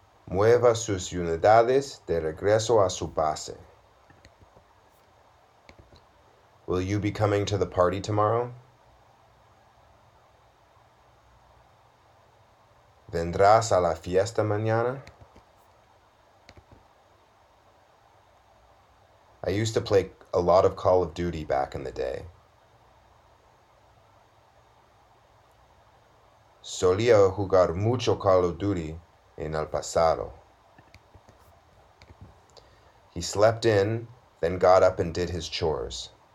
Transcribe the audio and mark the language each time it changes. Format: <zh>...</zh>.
<es>Mueva sus unidades de regreso a su base.</es> <en>Will you be coming to the party tomorrow?</en> <es>¿Vendrás a la fiesta mañana?</es> <en>I used to play a lot of Call of Duty back in the day.</en> <es>Solía jugar mucho Call of Duty en el pasado.</es> <en>He slept in, then got up and did his chores.</en>